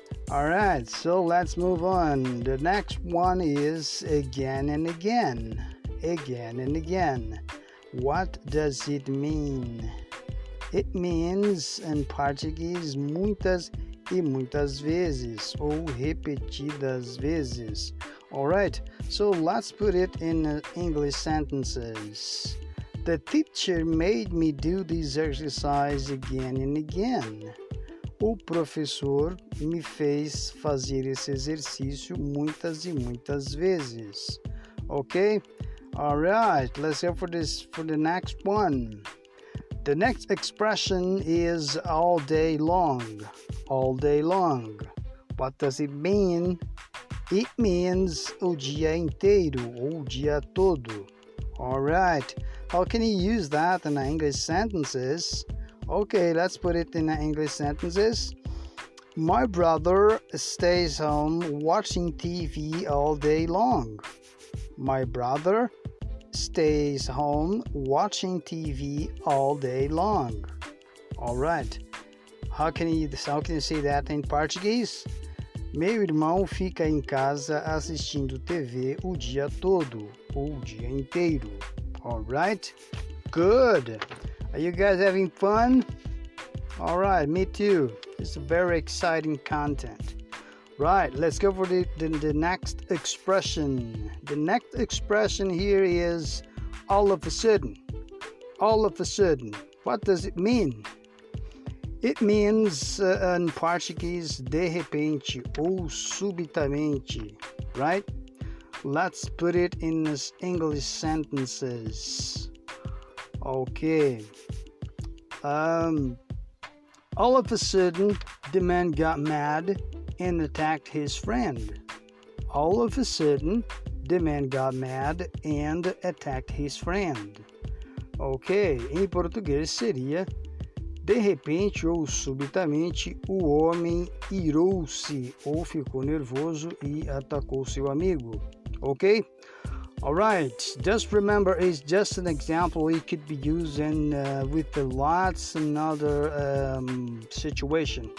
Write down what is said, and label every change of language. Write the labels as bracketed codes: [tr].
[en] Alright, so let's move on. The next one is again and again. Again and again. What does it mean? It means, in Portuguese, [pt] muitas e muitas vezes, ou repetidas vezes. [en] Alright, so let's put it in English sentences. The teacher made me do this exercise again and again. [pt] O professor me fez fazer esse exercício muitas e muitas vezes. [en] Ok? Alright, let's go for this for the next one. The next expression is all day long. All day long. What does it mean? It means [pt] o dia inteiro, o dia todo. [en] Alright, how can you use that in English sentences? Okay, let's put it in English sentences. My brother stays home watching TV all day long. My brother stays home watching TV all day long. Alright, how can you say that in Portuguese? [pt] Meu irmão fica em casa assistindo TV o dia todo, o dia inteiro. [en] Alright? Good! Are you guys having fun? Alright, me too. It's very exciting content. Right, let's go for the next expression. The next expression here is all of a sudden. All of a sudden. What does it mean? It means, in Portuguese, [pt] de repente, ou subitamente, [en] right? Let's put it in this English sentences. Okay. All of a sudden, the man got mad and attacked his friend. All of a sudden, the man got mad and attacked his friend. [pt] Okay, em português seria... De repente ou subitamente, o homem irou-se ou ficou nervoso e atacou seu amigo. [en] Ok? Alright, just remember, it's just an example. It could be used in, with lots and other situation.